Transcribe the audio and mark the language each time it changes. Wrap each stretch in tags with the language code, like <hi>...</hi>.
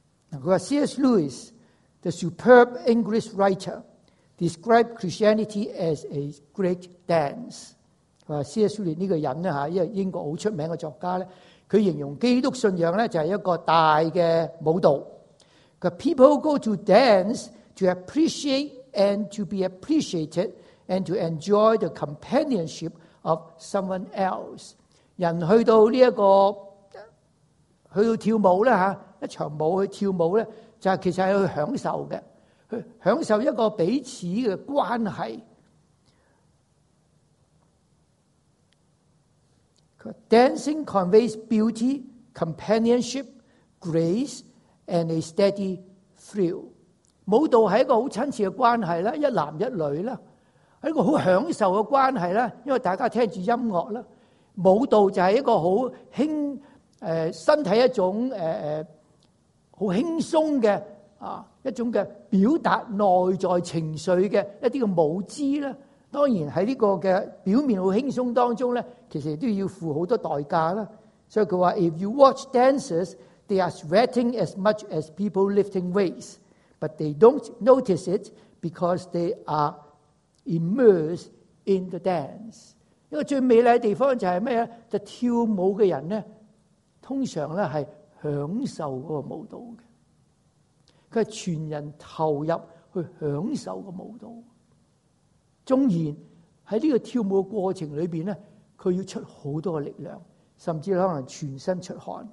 <zh>他说</zh> <en>C.S. Lewis, the superb English writer, described Christianity as a great dance. 他说 C.S.</en> <zh>Lewis 这个人，因为英国很出名的作家，他形容基督信仰就是一个大的舞蹈。他说</zh> <en>People go to dance to appreciateand to be appreciated and to enjoy the companionship of someone else.</en> <zh>人去到这个去到跳舞一场舞去跳舞，就其实是去享受的，去享受一个彼此的关系。</zh> <en>Dancing conveys beauty, companionship, grace, and a steady thrill.</en> <zh>舞蹈是一个很亲切的关系，一男一女，是一个很享受的关系，因为大家听着音乐。舞蹈就是一个很轻身体一种很轻松的一种的表达内在情绪的一些舞姿。当然在这个的表面很轻松当中，其实都要付很多代价。所以他说</zh> <en>If you watch dancers, they are sweating as much as people lifting weights. But they don't notice it because they are immersed in the dance.</en> <zh>一个最美丽的地方就是什么呢？就跳舞的人呢，通常是享受那个舞蹈的。他是全人投入去享受那个舞蹈。纵然在这个跳舞的过程里面呢，他要出很多力量，甚至可能全身出汗。</zh>